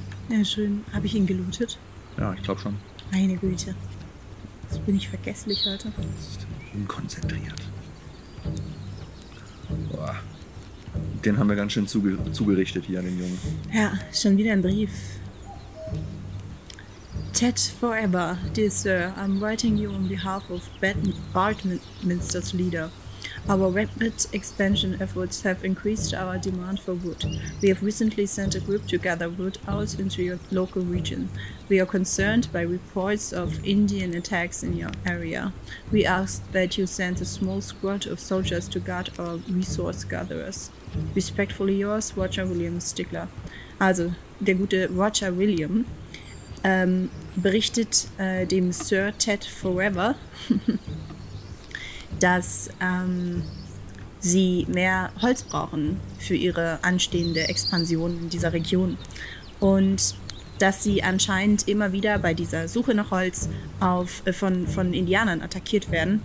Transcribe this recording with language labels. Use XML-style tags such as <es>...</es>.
<de>Ja, schön. Habe ich ihn gelootet? Ja, ich glaube schon. Meine Güte. Jetzt bin ich vergesslich heute. Unkonzentriert. Boah. Den haben wir ganz schön zugerichtet hier an den Jungen. Ja, schon wieder ein Brief.</de> <en>Ted Forever, dear Sir, I'm writing you on behalf of Bartminster's leader. Our rapid expansion efforts have increased our demand for wood. We have recently sent a group to gather wood out into your local region. We are concerned by reports of Indian attacks in your area. We ask that you send a small squad of soldiers to guard our resource gatherers. Respectfully yours, Roger William Stickler.</en> <de>Also, der gute Roger William berichtet dem Sir Ted Forever, dass sie mehr Holz brauchen für ihre anstehende Expansion in dieser Region und dass sie anscheinend immer wieder bei dieser Suche nach Holz von Indianern attackiert werden.</de>